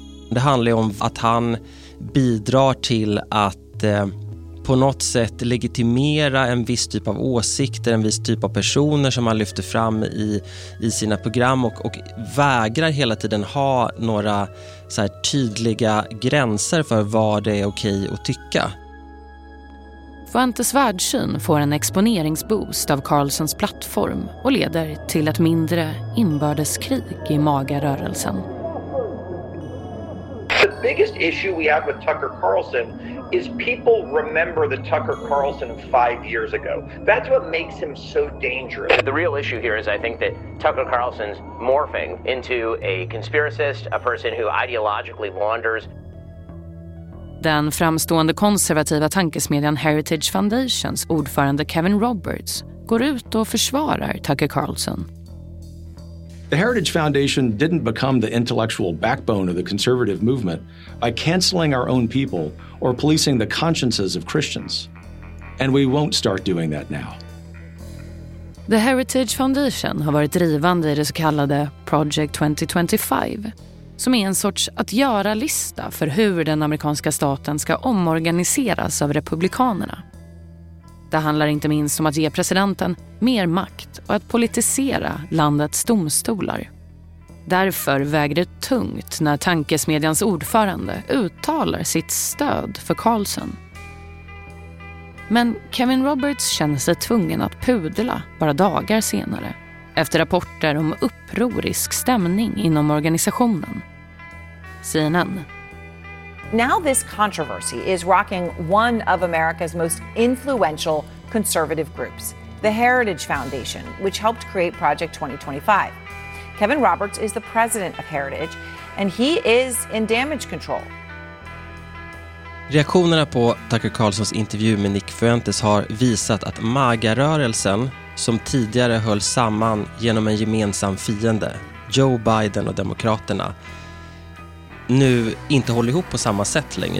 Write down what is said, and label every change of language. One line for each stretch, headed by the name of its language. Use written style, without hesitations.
Swedish: Det handlar om att han bidrar till att på något sätt legitimera en viss typ av åsikter, en viss typ av personer som han lyfter fram i sina program och vägrar hela tiden ha några så här tydliga gränser för vad det är okej att tycka. Fuentes världssyn får en exponeringsboost av Carlsons plattform och leder till ett mindre inbördeskrig i MAGA-rörelsen.
English: The biggest issue we have with Tucker Carlson is people remember the Tucker Carlson of 5 years ago. That's what makes him so dangerous. The real issue here is I think that Tucker Carlson's morphing into a conspiracist, a person who ideologically wanders.
Swedish: Den framstående konservativa tankesmedjan Heritage Foundations ordförande Kevin Roberts går ut och försvarar Tucker Carlson.
English: The Heritage Foundation didn't become the intellectual backbone of the conservative movement by canceling our own people or policing the consciences of Christians. And we won't start doing that now.
Swedish: The Heritage Foundation har varit drivande i det så kallade Project 2025, som är en sorts att göra lista för hur den amerikanska staten ska omorganiseras av republikanerna. Det handlar inte minst om att ge presidenten mer makt och att politisera landets domstolar. Därför väger det tungt när tankesmedjans ordförande uttalar sitt stöd för Carlson. Men Kevin Roberts känner sig tvungen att pudla bara dagar senare, efter rapporter om upprorisk stämning inom organisationen.
English: CNN. Now this controversy is rocking one of America's most influential conservative groups, the Heritage Foundation, which helped create Project 2025. Kevin Roberts is the president of Heritage, and he is in damage control.
Swedish: Reaktionerna på Tucker Carlsons intervju med Nick Fuentes har visat att MAGA-rörelsen, som tidigare höll samman genom en gemensam fiende, Joe Biden och Demokraterna, nu inte håller ihop på samma sätt längre.